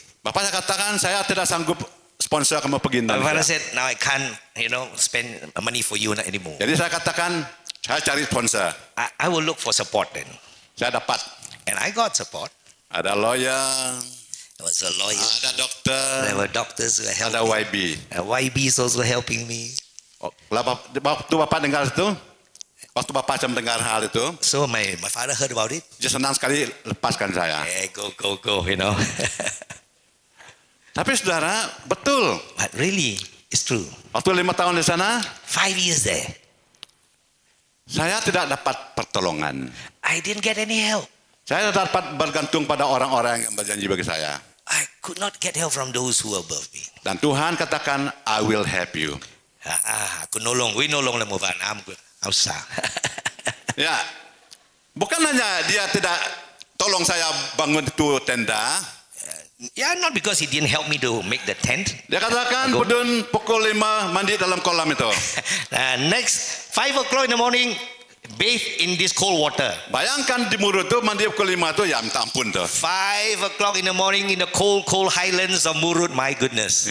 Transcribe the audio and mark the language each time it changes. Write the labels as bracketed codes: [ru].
[id] Bapak saya katakan saya tidak sanggup sponsor kamu pergi Indonesia. [en] My father said, now I can't, you know, spend money for you anymore. [id] Jadi saya katakan, saya cari sponsor. [en] I will look for support then. [id] Saya dapat. [en] And I got support. [id] Ada lawyer. [en] There was a lawyer. [id] Ada doktor. [en] There were doctors who helped. [id] Ada YB. [en] YB is also helping me. [id] Waktu bapak dengar itu, waktu bapak saya mendengar hal itu. [en] So my father heard about it. [id] Dia senang sekali lepaskan saya. [en] Yeah, go, you know. [id] Tapi saudara, betul. [en] But really, it's true. [id] Waktu 5 tahun di sana. [en] 5 years there. [id] Saya tidak dapat pertolongan. [en] I didn't get any help. [id] Saya tidak dapat bergantung pada orang-orang yang berjanji bagi saya. [en] I could not get help from those who are above me. [id] Dan Tuhan katakan, [en] I will help you. Aku nolong, we nolong lemu van. I'm sorry. [id] Ya, bukan hanya dia tidak tolong saya bangun itu tenda. [en] Yeah, not because he didn't help me to make the tent. [id] Dia katakan, Budun pukul 5 mandi dalam kolam itu. [en] Next, 5 o'clock in the morning, bathe in this cold water. [id] Bayangkan di Murun itu mandi pukul 5 itu, ya minta ampun itu. [en] 5 o'clock in the morning in the cold highlands of Murun, my goodness.